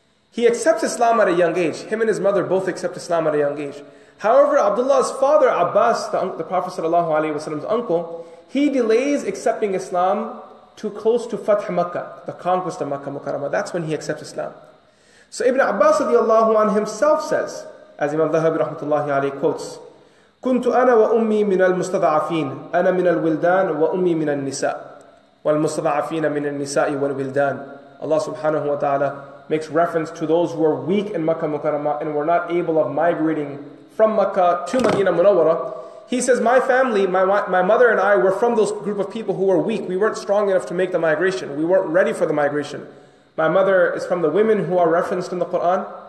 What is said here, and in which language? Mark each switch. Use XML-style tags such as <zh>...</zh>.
<en>He accepts Islam at a young age. Him and his mother both accept Islam at a young age. However, Abdullah's father, Abbas, the Prophet sallallahu alaihi wasallam's uncle, he delays accepting Islam too close to Fath Makkah, the conquest of Makkah Mukarramah. That's when he accepts Islam. So Ibn Abbas radiallahu anhu himself says, as Imam Dhahabi rahmatullahi alayhi quotes,</en> <ar>كنت أنا وأمي من المستضعفين أنا من الولدان وأمي من النساء والمستضعفين من النساء والولدان.</ar> <en>Allah subhanahu wa ta'ala makes reference to those who are weak in Makkah Mukarramah and were not able of migrating from Makkah to Madinah Munawwara. He says, my family, my mother and I were from those group of people who were weak. We weren't strong enough to make the migration. We weren't ready for the migration. My mother is from the women who are referenced in the Quran.</en>